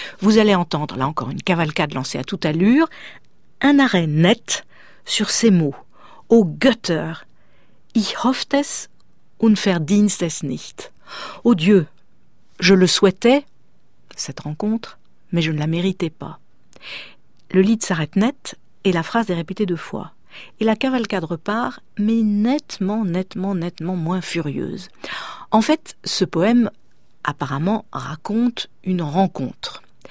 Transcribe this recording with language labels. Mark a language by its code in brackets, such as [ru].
[fr] Vous allez entendre, là encore, une cavalcade lancée à toute allure. Un arrêt net sur ces mots. [de] Au Götter, ich hoffte es und verdienst es nicht. [fr] Au Dieu, je le souhaitais, cette rencontre, mais je ne la méritais pas. Le lied s'arrête net et la phrase est répétée deux fois. Et la cavalcade repart, mais nettement, nettement, nettement moins furieuse. En fait, ce poème, apparemment, raconte une rencontre.